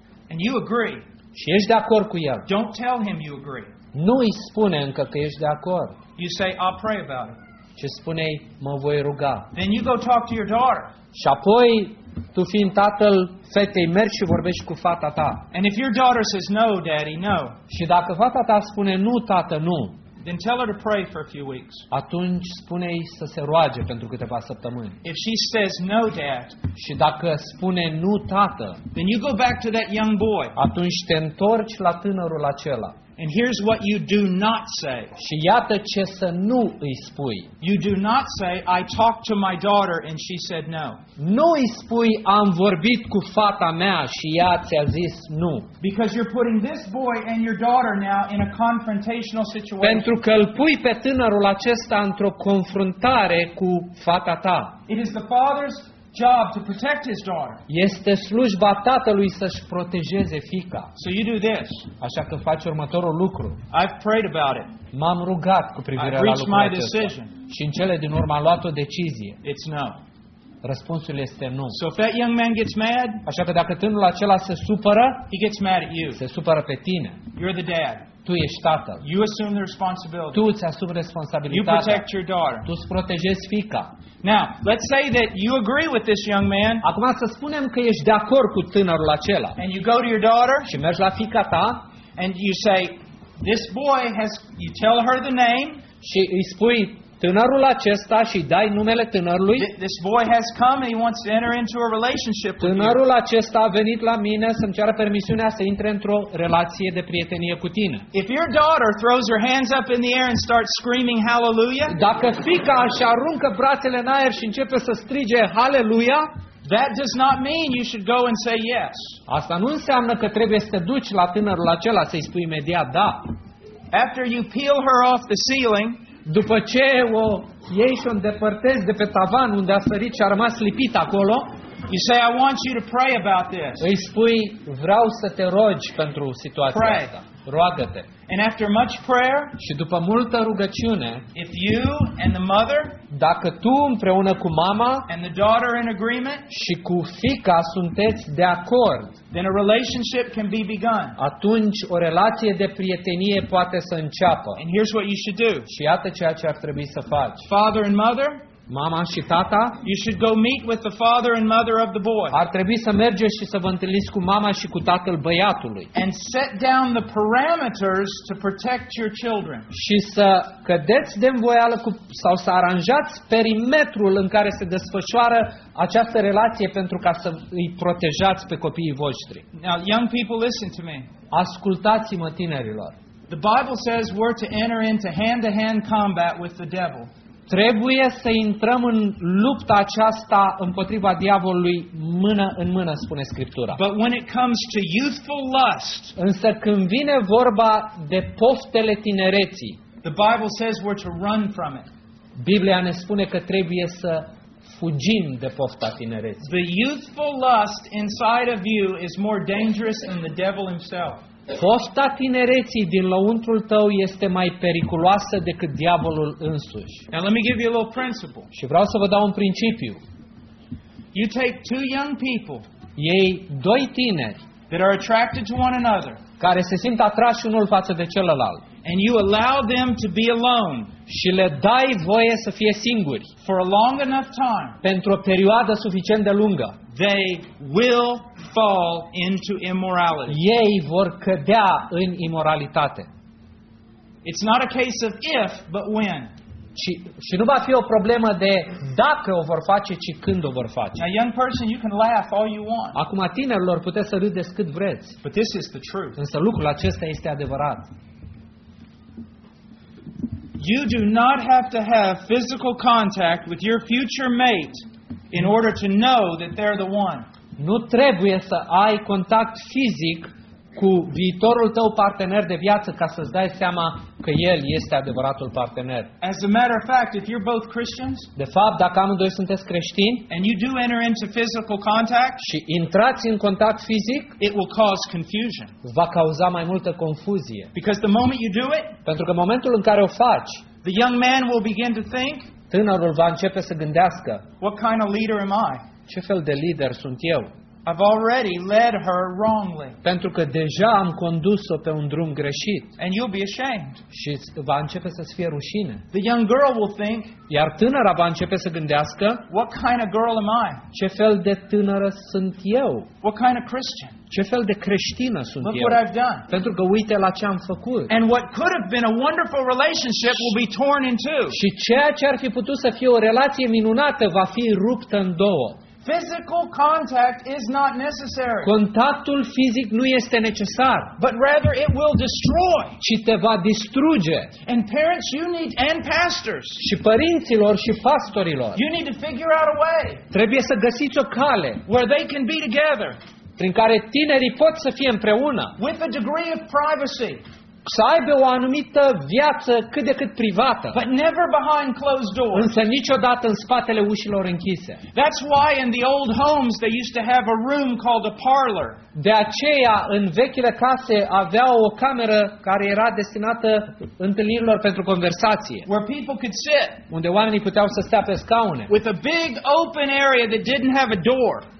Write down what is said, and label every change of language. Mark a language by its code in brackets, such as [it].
[en] And you agree. [ro] Și ești de acord cu el. [en] Don't tell him you agree. [ro] Nu îi spune încă că ești de acord. [en] You say, I'll pray about it. [ro] Și spune-i, mă voi ruga. [en] Then you go talk to your daughter. [ro] Și apoi, tu fiind tatăl fetei, mergi și vorbești cu fata ta. [en] And if your daughter says, no, daddy, no. [ro] Și dacă fata ta spune, nu, tată, nu. [en] Then tell her to pray for a few weeks. [ro] Atunci spune-i să se roage pentru câteva săptămâni. [en] If she says no, dad, [ro] și dacă spune nu, tată, [en] then you go back to that young boy. [ro] Atunci te întorci la tânărul acela. [en] And here's what you do not say. [ro] Și iată ce să nu îi spui. [en] You do not say, I talked to my daughter and she said no. [ro] Nu îi spui, am vorbit cu fata mea și ea ți-a zis nu. [en] Because you're putting this boy and your daughter now in a confrontational situation. [ro] Pentru că îl pui pe tânărul acesta într-o confruntare cu fata ta. [en] It is the father's job to protect his daughter. [ro] Este slujba tatălui să-și protejeze fiica. [en] So you do this. [ro] Așa că faci următorul lucru. [en] I've prayed about it. [ro] M-am rugat cu privire la lucrul [en] my decision. [ro] Și în cele din urmă am luat o decizie. [en] It's no. [ro] Răspunsul este nu. [en] So if that young man gets mad, [ro] așa că dacă tânărul acela se supără, [en] he gets mad at you. [ro] Se supără pe tine. [en] You're the dad. [ro] Tu ești tatăl. [en] You assume the responsibility. [ro] Tu îți asumi responsabilitatea. [en] You protect your daughter. [ro] Tu îți protejezi fiica. [en] Now, let's say that you agree with this young man. [ro] Acum să spunem că ești de acord cu tânărul acela. [en] And you go to your daughter. [ro] Și mergi la fiica ta. [en] And you say, this boy has, you tell her the name. [ro] Și îi spui tânărul acesta și dai numele tânărului. [en] This boy has come and he wants to enter into a relationship with you. [ro] Tânărul acesta a venit la mine să-mi ceară permisiunea să intre într-o relație de prietenie cu tine. [en] If your daughter throws her hands up in the air and starts screaming hallelujah, [ro] dacă fiica își aruncă brațele în aer și începe să strige hallelujah, [en] that does not mean you should go and say yes. [ro] Asta nu înseamnă că trebuie să te duci la tânărul acela să-i spui imediat da. [en] After you peel her off the ceiling, [ro] după ce o iei și o îndepărtezi de pe tavan unde a sărit și a rămas lipit acolo, [en] you say, I want you to pray about this. [ro] Îi spui, vreau să te rogi pentru situația [en] pray. [ro] Asta. Roagă-te. [en] And after much prayer, [ro] și după multă rugăciune, [en] if you and the mother, [ro] dacă tu împreună cu mama [en] and the daughter in agreement, [ro] și cu fiica sunteți de acord, [en] then a relationship can be begun. [ro] Atunci o relație de prietenie poate să înceapă. [en] And here's what you should do. [ro] Și iată ceea ce ar trebui să faci. [en] Father and mother, [ro] mama și tata, [en] you should go meet with the father and mother of the boy. [ro] Ar trebui să mergeți și să vă întâlniți cu mama și cu tatăl băiatului. [en] And set down the parameters to protect your children. [ro] Și să cădeți de învoială cu sau să aranjați perimetrul în care se desfășoară această relație pentru ca să îi protejați pe copiii voștri. [en] Now, young people, listen to me. [ro] Ascultați-mă, tinerilor. [en] The Bible says we're to enter into hand-to-hand combat with the devil. [ro] Trebuie să intrăm în lupta aceasta împotriva diavolului mână în mână, spune Scriptura. [en] But when it comes to youthful lust, [ro] însă când vine vorba de poftele tinereții, [en] the Bible says we're to run from it. [ro] Biblia ne spune că trebuie să fugim de pofta tinereții. [en] The youthful lust inside of you is more dangerous than the devil himself. [ro] Pofta tinereții din lăuntrul tău este mai periculoasă decât diavolul însuși. [en] Now let me give you a little principle. [ro] Și vreau să vă dau un principiu. [en] You take two young people, [ro] iei doi tineri, [en] that are attracted to one another, [ro] care se simt atrași unul față de celălalt, [en] and you allow them to be alone, [ro] și le dai voie să fie singuri, [en] for a long enough time, [ro] pentru o perioadă suficient de lungă, [en] they will fall into immorality. [ro] Ei vor cădea în imoralitate. [en] It's not a case of if, but when. [ro] Și nu va fi o problemă de dacă o vor face, ci când o vor face. [en] Now, young person, you can laugh all you want. [ro] Acum, tinerilor, puteți să râdeți cât vreți. [en] But this is the truth. [ro] Însă lucrul acesta este adevărat. [en] You do not have to have physical contact with your future mate in order to know that they're the one. [ro] Nu trebuie să ai contact fizic cu viitorul tău partener de viață ca să-ți dai seama că el este adevăratul partener. [en] As a matter of fact, if you're both Christians, [ro] de fapt, dacă amândoi sunteți creștini, [en] and you do enter into physical contact, [ro] și intrați în contact fizic, [en] it will cause confusion. [ro] Va cauza mai multă confuzie. [en] Because the moment you do it, [ro] pentru că în momentul în care o faci, [en] the young man will begin to think, [ro] tânărul va începe să gândească, [en] what kind of leader am I? [ro] Ce fel de lider sunt eu? [en] I've already led her wrongly. [ro] Pentru că deja am condus-o pe un drum greșit. [en] And you'll be ashamed. [ro] Și va începe să-ți fie rușine. [en] The young girl will think, [ro] iar tânăra va începe să gândească, [en] what kind of girl am I? [ro] Ce fel de tânără sunt eu? [en] What kind of Christian? [ro] Ce fel de creștină sunt [en] Look What I've done. [ro] Pentru că uite la ce am făcut. [en] And what could have been a wonderful relationship will be torn in two. [ro] Și ceea ce ar fi putut să fie o relație minunată va fi ruptă în două. [en] Physical contact is not necessary. [ro] Contactul fizic nu este necesar. [en] But rather it will destroy. [ro] Ci te va distruge. [en] And parents, you need, and pastors. [ro] Și părinților și pastorilor. [en] You need to figure out a way. [ro] Trebuie să găsiți o cale. [en] Where they can be together. [ro] Prin care tinerii pot să fie împreună. [en] With a degree of privacy. [ro] Să aibă o anumită viață cât de cât privată. [en] But never behind closed doors. [ro] Însă niciodată în spatele ușilor închise. [en] That's why in the old homes they used to have a room called a parlor. [ro] De aceea în vechile case aveau o cameră care era destinată întâlnirilor pentru conversație. [en] Where people could sit. [ro] Unde oamenii puteau să stea pe scaune. [en] With a big open area that didn't have a door.